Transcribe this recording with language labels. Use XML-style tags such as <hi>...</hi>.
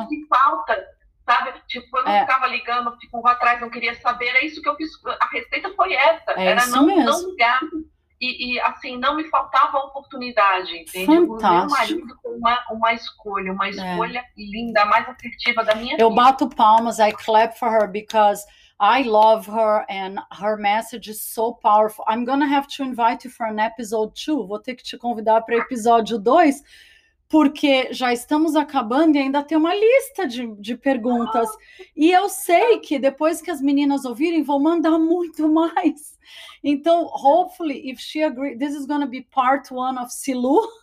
<pt>isso que falta, sabe? Tipo, quando eu ficava ligando, tipo, vou atrás, não queria saber, é isso que eu fiz. A receita foi essa. É, era isso não, mesmo. Não ligar. E assim, não me faltava oportunidade, entende? Fantástico. O meu marido foi uma escolha, uma escolha linda, mais assertiva da minha eu vida. Eu bato palmas,</pt> <en>I clap for her, because I love her and her message is so powerful. I'm going to have to invite you for an episode 2.</en> <pt>Vou ter que te convidar para episódio 2, porque já estamos acabando e ainda tem uma lista de perguntas. E eu sei que depois que as meninas ouvirem, vou mandar muito mais.</pt> <en>Então, hopefully, if she agrees, this is going to be part 1 of Silu.</en>